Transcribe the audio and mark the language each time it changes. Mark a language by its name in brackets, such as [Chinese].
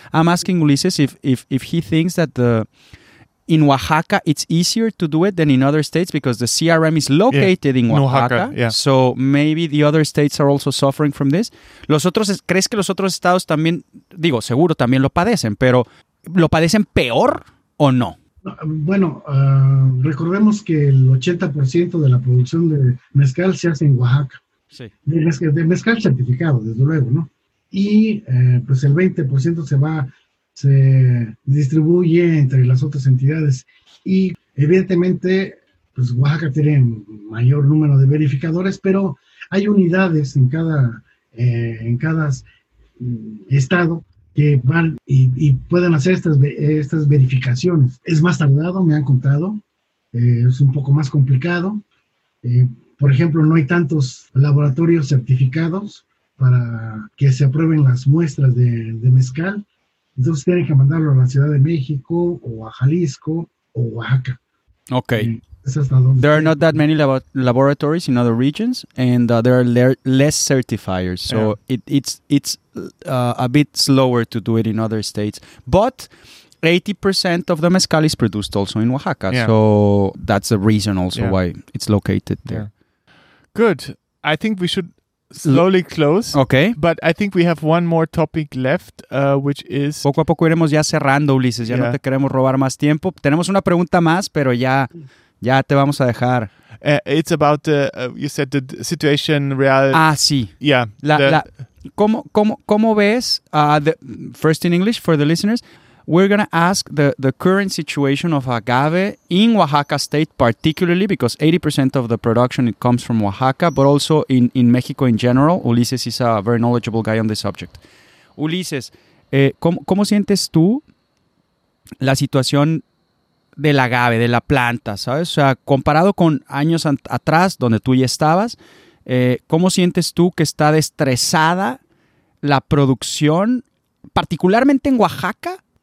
[English] I'm asking Ulises if he thinks that the... In Oaxaca, it's easier to do it than in other states because the CRM is located in Oaxaca. Yeah. So maybe the other states are also suffering from this. [Spanish] ¿Crees que los otros estados también, digo, seguro también lo padecen, pero lo padecen peor o no? Bueno, recordemos que el 80% de la producción de mezcal se hace en Oaxaca. Sí. De mezcal certificado, desde luego, ¿no? Y pues el 20% se distribuye entre las otras entidades y evidentemente pues Oaxaca tiene mayor número de verificadores, pero hay unidades en cada estado que van y pueden hacer estas verificaciones. Es más tardado, me han contado, es un poco más complicado. Por ejemplo, no hay tantos laboratorios certificados para que se aprueben las muestras de mezcal. Entonces tienen que mandarlo a la Ciudad de México o a Jalisco o Oaxaca. Okay. Es hasta donde [English] there are not that many laboratories in other regions, and there are less certifiers, so yeah. it's a bit slower to do it in other states. But 80% of the mezcal is produced also in Oaxaca, yeah. So that's the reason also yeah. why it's located there. Yeah. Good. I think we should. Slowly close. Okay. But I think we have one more topic left, which is... [Spanish] Poco a poco iremos ya cerrando, Ulises. Ya yeah. no te queremos robar más tiempo. Tenemos una pregunta más, pero ya, Ya te vamos a dejar. [English] It's about the you said the situation real. [Spanish] Ah, sí. [English] Yeah. [Spanish] ¿Cómo ves? [English] The first in English for the listeners. We're going to ask the current situation of agave in Oaxaca State, particularly because 80% of the production it comes from Oaxaca, but also in Mexico in general. Ulises is a very knowledgeable guy on the subject. [Spanish] Ulises, ¿cómo sientes tú la situación del agave, de la planta, sabes? O sea, comparado con años atrás, donde tú ya estabas, ¿cómo sientes tú que está destrezada la producción, particularmente en Oaxaca?